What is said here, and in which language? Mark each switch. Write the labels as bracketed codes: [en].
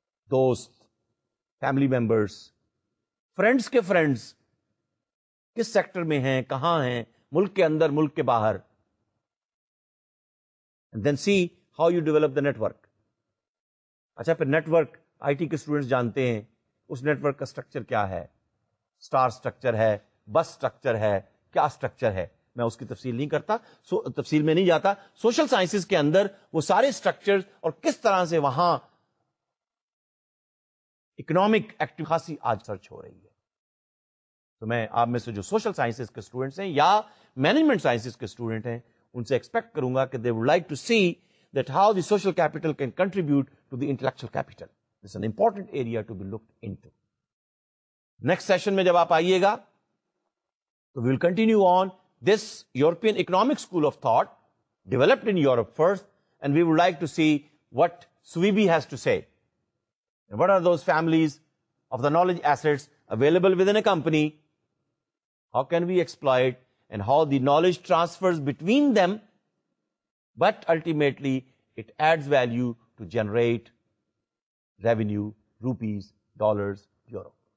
[ur] دوست، family members, friends کے friends کس سیکٹر میں ہیں، کہاں ہیں، ملک کے اندر، ملک کے باہر. [en] And then see how you develop the network. [ur] اچھا پھر نیٹورک آئی ٹی کے اسٹوڈینٹس جانتے ہیں اس نیٹورک کا اسٹرکچر کیا ہے، اسٹار اسٹرکچر ہے، بس اسٹرکچر ہے، کیا اسٹرکچر ہے. میں اس کی تفصیل نہیں کرتا، تفصیل میں نہیں جاتا. سوشل سائنسز کے اندر وہ سارے اسٹرکچر اور کس طرح سے وہاں اکنامک ایکٹیو خاصی آج سرچ ہو رہی ہے. تو میں آپ میں سے جو سوشل سائنسز کے اسٹوڈنٹس ہیں یا مینجمنٹ سائنسز کے اسٹوڈنٹ ہیں ان سے ایکسپیکٹ کروں گا کہ [en] They would like to see that how the social capital can contribute to the intellectual capital. This an important area to be looked into. [ur] Next session میں جب آپ آئیے گا تو [en] We will continue on this European economic school of thought developed in Europe first. And we would like to see what Sveiby has to say. What are those families of the knowledge assets available within a company? How can we exploit and how the knowledge transfers between them? But ultimately, it adds value to generate revenue, rupees, dollars, euro.